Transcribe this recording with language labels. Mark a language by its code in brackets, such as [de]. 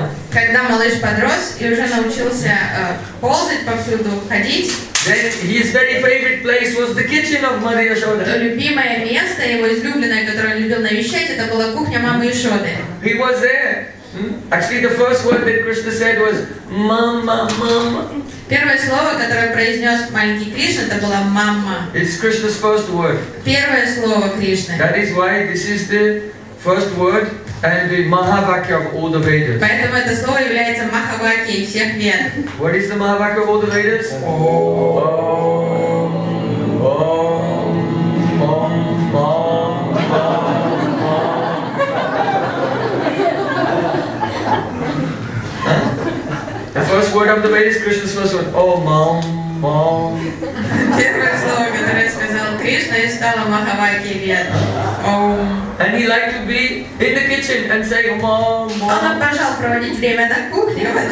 [ru] Когда малыш подрос и уже научился ползать повсюду, ходить, [en] then his very favorite place was the kitchen of Mother Yashoda. [ru] То любимое место его излюбленное, которое он любил навещать, это была кухня мамы Яшоды. [en] He was there. Actually, the first word that Krishna said was "Mama, Mama." [ru] Первое слово, которое произнес маленький Кришна, это было "Мама." [en] It's Krishna's first word. [ru] Первое слово Кришны. [en] That is why this is the first word. And the Mahavakya of all the Vedas. [ru] Поэтому это слово является Махавакья всех Вед. [en] What is the Mahavakya of all the Vedas? [sa] Om, Om, Om, Om, Om, Om. [en] The first word of the Vedas, Krishna's first word. [sa] Om, Om, Om. [ru] Первое слово, которое сказал Кришна, стало Махавакья Вед. [en] And he liked to be in the kitchen and say, "Mom, Mom." [ru] Он обожал проводить время на кухне.